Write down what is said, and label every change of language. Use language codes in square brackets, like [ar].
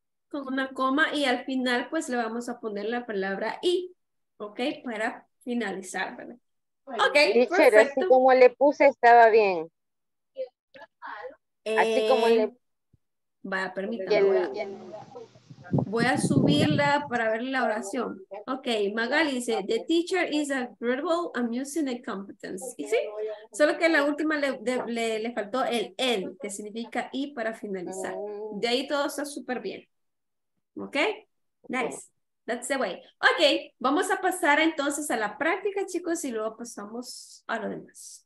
[es] Con una coma y al final pues le vamos a poner la palabra y, ¿ok? Para finalizar, ¿verdad? Ok, teacher, perfecto. Así como le puse estaba bien. Así como le... Vaya, permítame. Bien, voy a subirla para ver la oración. [en] Ok, [es] Magali dice, [en] the teacher is a verbal amusing and competence. [es] ¿Y sí? Solo que la última le faltó el end, que significa y para finalizar. De ahí todo está súper bien. Ok, [en] nice. That's the way. [es] Ok, vamos a pasar entonces a la práctica, chicos, y luego pasamos a lo demás.